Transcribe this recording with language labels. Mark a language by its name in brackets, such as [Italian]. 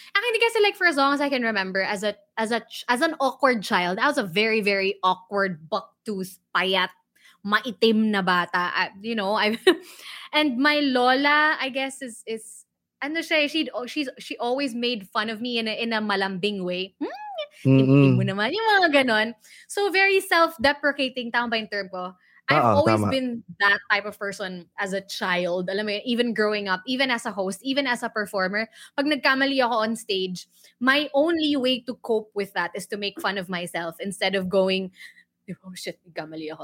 [English] Akin din kasi like for as long as I can remember, as an awkward child, I was a very, very awkward, bucktooth, [Filipino] payat, maitim na bata. [English] And my lola, I guess, is [Filipino] ano siya, [English] she always made fun of me in a [Filipino] malambing [English] way. [Filipino] Hindi mo naman, yung mga ganon. [English] So, very self-deprecating, [Filipino] tama ba yung term ko? [English] I've always been that type of person as a child. [Filipino] Alam mo, [English] even growing up, even as a host, even as a performer, [Filipino] pag nagkamali ako [English] on stage, my only way to cope with that is to make fun of myself instead of going, oh shit, [Filipino] kamali ako.